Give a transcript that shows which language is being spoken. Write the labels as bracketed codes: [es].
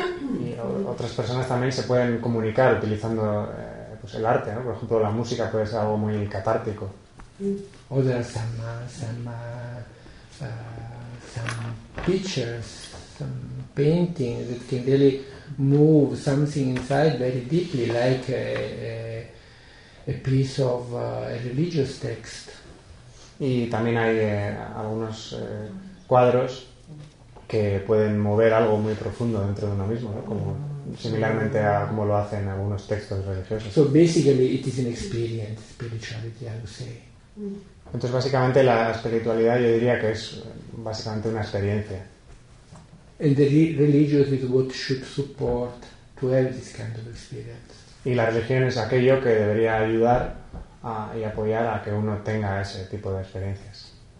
[es] y otras personas también se pueden comunicar utilizando pues el arte, ¿no? Por ejemplo, la música puede ser algo muy catártico. [en] O there are some pictures, some paintings that can really move something inside very deeply, like a piece of a religious text. [es] Y también hay algunos cuadros que pueden mover algo muy profundo dentro de uno mismo, ¿no? Como similarmente a como lo hacen algunos textos religiosos. [en] So basically it is an experience, spirituality, I would say. [es] Entonces básicamente la espiritualidad yo diría que es básicamente una experiencia. [en] And the religion is what should support to have this kind of experience. [es] Y la religión es aquello que debería ayudar a, y apoyar a que uno tenga ese tipo de experiencias.